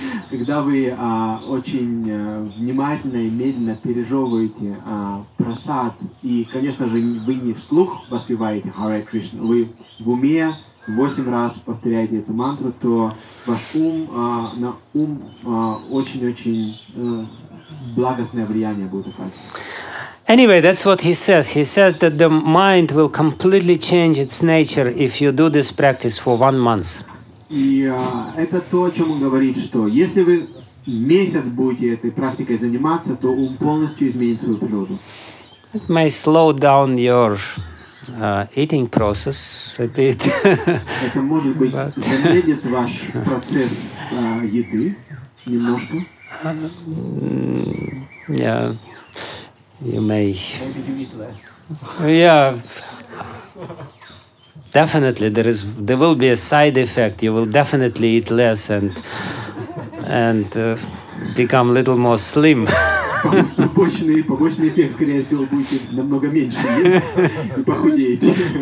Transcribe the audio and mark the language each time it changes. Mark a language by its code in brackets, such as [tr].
[ru] Когда вы очень внимательно и медленно пережевываете прасад, и, конечно же, вы не вслух воспеваете Hare Krishna, вы в уме 8 раз повторяете эту мантру, то ваш ум на ум очень-очень благостное влияние будет оказывать. [en] Anyway, that's what he says. He says that the mind will completely change its nature if you do this practice for 1 month. [ru] И это то, о чем он говорит, что если вы месяц будете этой практикой заниматься, то ум полностью изменит свою природу. [en] It may slow down your eating process a bit. [ru] Это может быть замедлит ваш процесс еды немножко. [en] You may. Maybe you eat less. Definitely, there will be a side effect. You will definitely eat less and become a little more slim. [ru] Побочный эффект, скорее всего, будет намного меньше есть и похудеете.